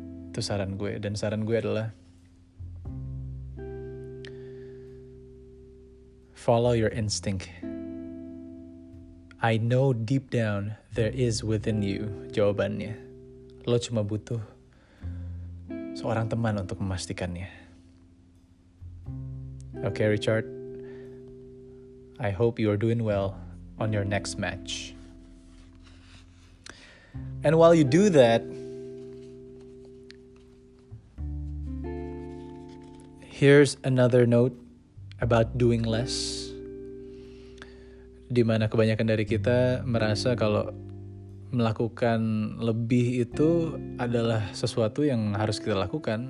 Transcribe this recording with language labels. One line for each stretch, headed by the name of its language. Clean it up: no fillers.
Indonesian: Itu saran gue. Dan saran gue adalah,
English: follow your instinct. I know deep down there is within you
Indonesian: jawabannya. Lo cuma butuh seorang teman untuk memastikannya.
English: Okay, Richard. I hope you are doing well on your next match. And while you do that, here's another note about doing less.
Indonesian: Dimana kebanyakan dari kita merasa kalau melakukan lebih itu adalah sesuatu yang harus kita lakukan.